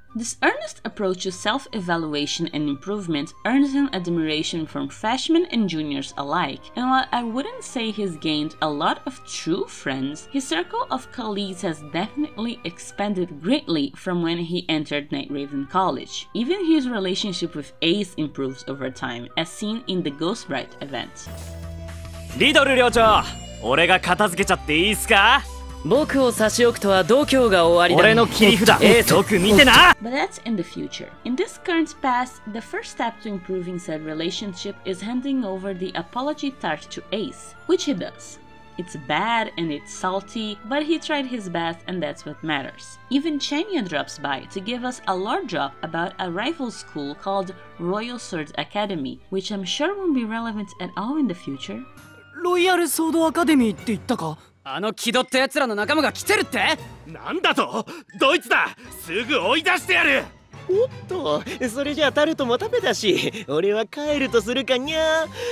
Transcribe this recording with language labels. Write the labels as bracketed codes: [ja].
[en] This earnest approach to self-evaluation and improvement earns him admiration from freshmen and juniors alike, and while I wouldn't say he's gained a lot of true friends, his circle of colleagues has definitely expanded greatly from when he entered Nightraven College. Even his relationship with Ace improves over time, as seen in the Ghostbrite event. [ja] Riddle 寮長、俺が片付けちゃっていいすか? 僕を差し置くとは度胸が終わりだ。俺の切り札、ええ、よく見てな。 [en] But that's in the future. In this current past, the first step to improving said relationship is handing over the apology tart to Ace, which he does. It's bad and it's salty, but he tried his best and that's what matters. Even Chania drops by to give us a lore drop about a rival school called Royal Sword Academy, which I'm sure won't be relevant at all in the future. [ja] Royal Sword Academy って言ったか? あの気取った奴らの仲間が来てるって? なんだと?どいつだ!すぐ追い出してやる! おっと、それじゃあタルトも食べたし、俺は帰るとするかにゃ。